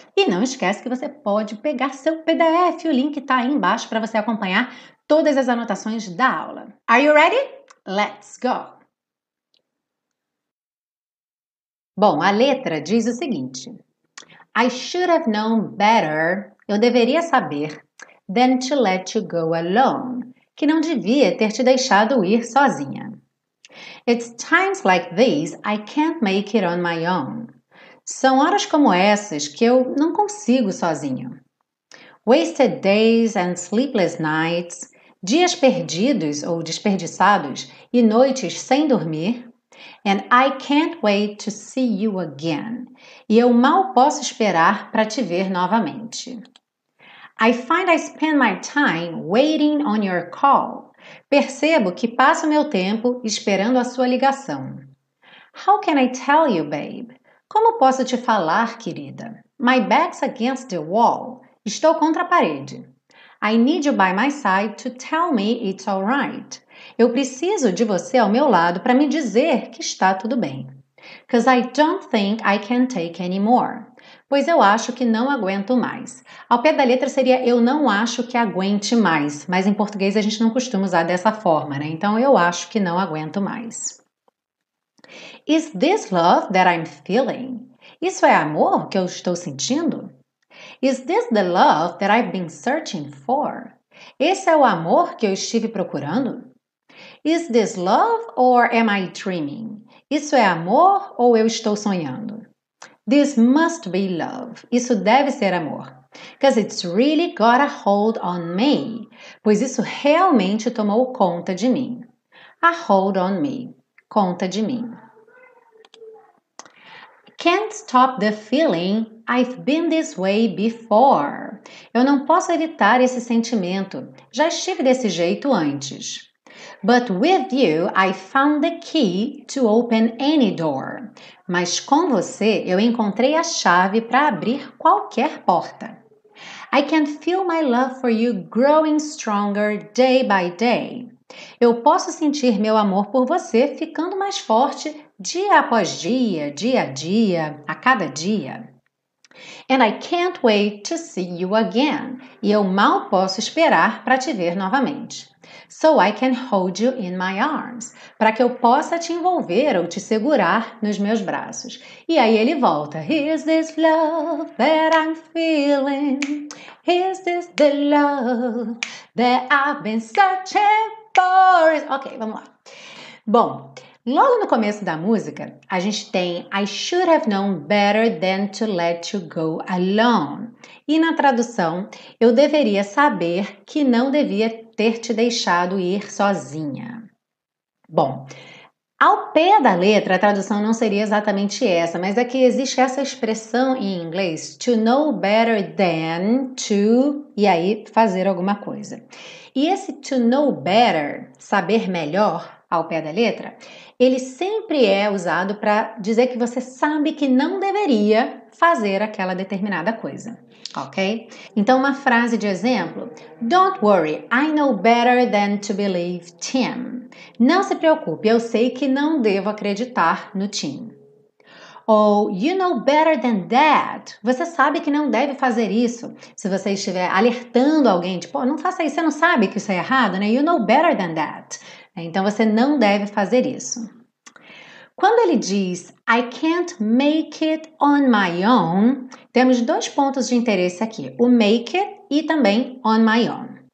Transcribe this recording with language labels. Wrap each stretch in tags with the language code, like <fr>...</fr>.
<pt>E não esquece que você pode pegar seu PDF, o link está aí embaixo para você acompanhar todas as anotações da aula.</pt> <en>Are you ready? Let's go!</en> <pt>Bom, a letra diz o seguinte:</pt> <en>I should have known better,</en> <pt>eu deveria saber,</pt> <en>than to let you go alone,</en> <pt>que não devia ter te deixado ir sozinha.</pt> <en>It's times like these I can't make it on my own.</en> <pt>São horas como essas que eu não consigo sozinho.</pt> <en>Wasted days and sleepless nights,</en> <pt>dias perdidos ou desperdiçados e noites sem dormir.</pt> <en>And I can't wait to see you again.</en> <pt>E eu mal posso esperar para te ver novamente.</pt> <en>I find I spend my time waiting on your call.</en> <pt>Percebo que passo meu tempo esperando a sua ligação.</pt> <en>How can I tell you, babe?</en> <pt>Como posso te falar, querida?</pt> <en>My back's against the wall.</en> <pt>Estou contra a parede.</pt> <en>I need you by my side to tell me it's all right.</en> <pt>Eu preciso de você ao meu lado para me dizer que está tudo bem.</pt> <en>'Cause I don't think I can take anymore.</en> <pt>Pois eu acho que não aguento mais. Ao pé da letra seria eu não acho que aguente mais. Mas em português a gente não costuma usar dessa forma, né? Então eu acho que não aguento mais.</pt> <en>Is this love that I'm feeling?</en> <pt>Isso é amor que eu estou sentindo?</pt> <en>Is this the love that I've been searching for?</en> <pt>Esse é o amor que eu estive procurando?</pt> <en>Is this love or am I dreaming?</en> <pt>Isso é amor ou eu estou sonhando?</pt> <en>This must be love.</en> <pt>Isso deve ser amor.</pt> <en>'Cause it's really got a hold on me.</en> <pt>Pois isso realmente tomou conta de mim.</pt> <en>A hold on me.</en> <pt>Conta de mim.</pt> <en>Can't stop the feeling I've been this way before.</en> <pt>Eu não posso evitar esse sentimento. Já estive desse jeito antes.</pt> <en>But with you, I found the key to open any door.</en> <pt>Mas com você, eu encontrei a chave para abrir qualquer porta.</pt> <en>I can feel my love for you growing stronger day by day.</en> <pt>Eu posso sentir meu amor por você ficando mais forte dia após dia, dia a dia, a cada dia.</pt> <en>And I can't wait to see you again.</en> <pt>E eu mal posso esperar para te ver novamente.</pt> <en>so I can hold you in my arms,</en> <pt>para que eu possa te envolver ou te segurar nos meus braços. E aí ele volta,</pt> <en>is this love that I'm feeling? Is this the love that I've been searching for?</en> <pt>Ok, vamos lá. Bom, logo no começo da música, a gente tem</pt> <en>I should have known better than to let you go alone.</en> <pt>E na tradução, eu deveria saber que não devia ter te deixado ir sozinha. Bom, ao pé da letra, a tradução não seria exatamente essa, mas é que existe essa expressão em inglês,</pt> <en>to know better than to,</en> <pt>e aí fazer alguma coisa. E esse</pt> <en>to know better,</en> <pt>saber melhor, ao pé da letra, ele sempre é usado para dizer que você sabe que não deveria fazer aquela determinada coisa, ok? Então, uma frase de exemplo,</pt> <en>don't worry, I know better than to believe Tim.</en> <pt>Não se preocupe, eu sei que não devo acreditar no Tim.</pt> <en>Ou, you know better than that.</en> <pt>Você sabe que não deve fazer isso. Se você estiver alertando alguém, tipo, oh, não faça isso, você não sabe que isso é errado, né?</pt> <en>You know better than that.</en> <pt>Então, você não deve fazer isso. Quando ele diz,</pt> <en>I can't make it on my own,</en> <pt>temos dois pontos de interesse aqui, o make it e também</pt> <en>on my own.</en>